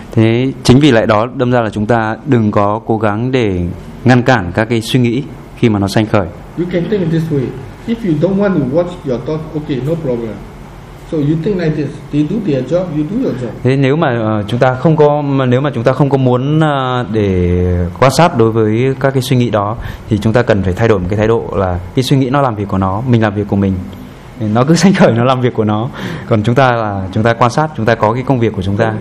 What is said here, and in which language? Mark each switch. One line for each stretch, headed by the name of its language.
Vietnamese: Thế chính vì lại đó đâm ra là chúng ta đừng có cố gắng để ngăn cản các cái suy nghĩ khi mà nó sanh khởi.
English: You can think this way. If you don't want to watch your thought, okay, no problem. So you think like this, they do their job, you do your job.
Vietnamese: Thế nếu mà chúng ta không có, nếu mà chúng ta không có muốn để quan sát đối với các cái suy nghĩ đó, thì chúng ta cần phải thay đổi một cái thái độ là cái suy nghĩ nó làm việc của nó, mình làm việc của mình. Nó cứ sanh khởi, nó làm việc của nó. Còn chúng ta là chúng ta quan sát, chúng ta có cái công việc của chúng ta.